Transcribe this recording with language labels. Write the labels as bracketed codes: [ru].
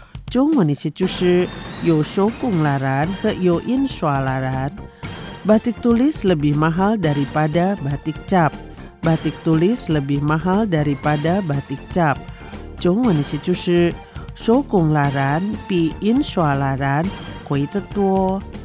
[zh] 中文意思就是有手工蜡染和有印刷蜡染。 [id] Batik tulis lebih mahal daripada batik cap. Batik tulis lebih mahal daripada batik cap. [zh] 中文意思就是手工蜡染比印刷蜡染贵得多。